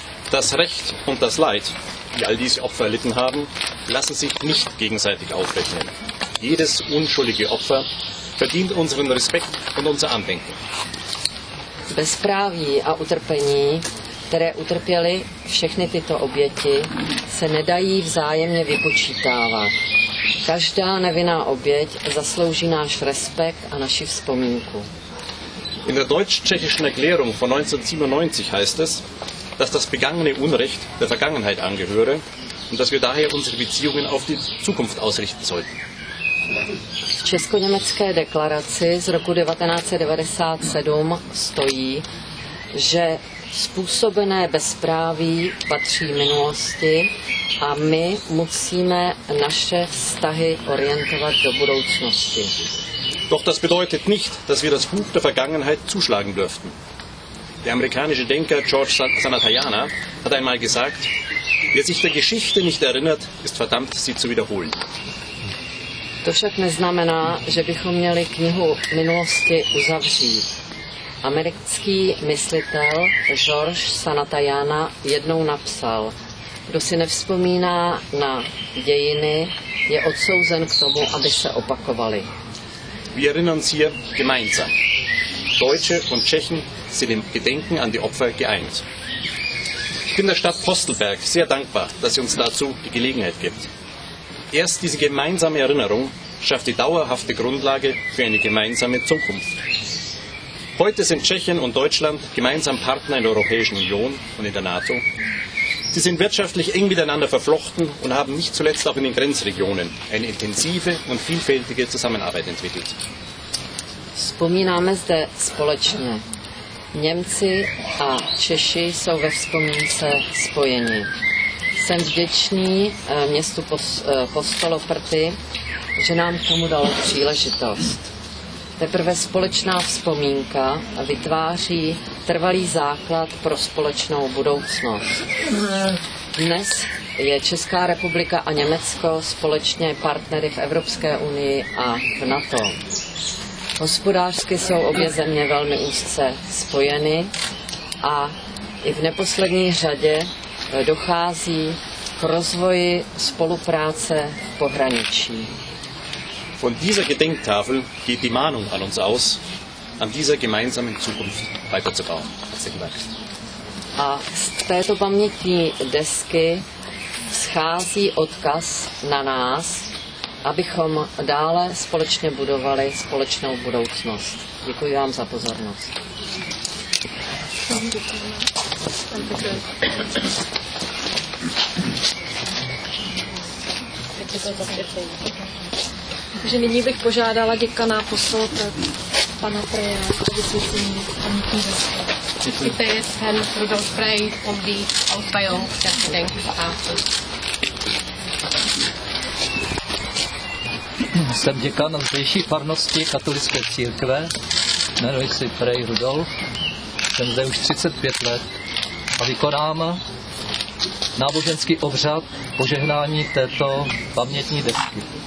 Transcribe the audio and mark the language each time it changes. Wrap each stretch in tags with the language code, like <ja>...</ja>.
<de>Das Recht und das Leid, die all diese Opfer erlitten haben, lassen sich nicht gegenseitig aufrechnen. Jedes unschuldige Opfer verdient unseren Respekt und unser Andenken.</de> <cs>bezpráví a utrpení, které utrpěly všechny tyto oběti, se nedají vzájemně vypočítávat. Každá nevinná oběť zaslouží náš respekt a naši vzpomínku.</cs> <de>In der deutsch-tschechischen Erklärung von 1997 heißt es, dass das begangene Unrecht der Vergangenheit angehöre und dass wir daher unsere Beziehungen auf die Zukunft ausrichten sollten.</de> <cs>V česko-německé deklaraci z roku 1997 stojí, že způsobené bezpráví patří minulosti a my musíme naše vztahy orientovat do budoucnosti.</cs> <de>Doch das bedeutet nicht, dass wir das Buch der Vergangenheit zuschlagen dürften. Der amerikanische Denker George Santayana hat einmal gesagt, wer sich der Geschichte nicht erinnert, ist verdammt, sie zu wiederholen.</de> <cs>To však neznamená, že bychom měli knihu minulosti uzavřít. Americký myslitel George Santayana jednou napsal, kdo si nevzpomíná na dějiny, je odsouzen k tomu, aby se opakovaly.</cs> <de>Wir erinnern uns hier gemeinsam. Deutsche und Tschechen sind im Gedenken an die Opfer geeint. Ich bin der Stadt Postelberg sehr dankbar, dass sie uns dazu die Gelegenheit gibt. Erst diese gemeinsame Erinnerung schafft die dauerhafte Grundlage für eine gemeinsame Zukunft. Heute sind Tschechien und Deutschland gemeinsam Partner in der Europäischen Union und in der NATO. Sie sind wirtschaftlich eng miteinander verflochten und haben nicht zuletzt auch in den Grenzregionen eine intensive und vielfältige Zusammenarbeit entwickelt.</de> <cs>Vzpomínáme zde společně. Němci a Češi jsou ve vzpomínce spojeni. Jsem vděčný městu Postoloprty, že nám k tomu dalo příležitost. Teprve společná vzpomínka vytváří trvalý základ pro společnou budoucnost. Dnes je Česká republika a Německo společně partnery v Evropské unii a v NATO. Hospodářsky jsou obě země velmi úzce spojeny a i v neposlední řadě dochází k rozvoji spolupráce v pohraničí.</cs> <de>Von dieser Gedenktafel geht die Mahnung an uns aus, an dieser gemeinsamen Zukunft weiterzubauen. Herzlichen Dank.</de> <cs>A z této pamětní desky schází odkaz na nás, abychom dále společně budovali společnou budoucnost. Děkuji vám za pozornost. Takže nyní bych požádala děkana poslouchat pana Preja o vysvětlení pamětní desky.</cs> <de>Ich bitte jetzt Herrn Rudolf Prey um die Aufweihung der Gedenktafel.</de> <cs>Jsem děkan zdejší farnosti katolické církve, jmenuji se Prej Rudolf, jsem zde už 35 let a vykonám náboženský obřad požehnání této pamětní desky.</cs>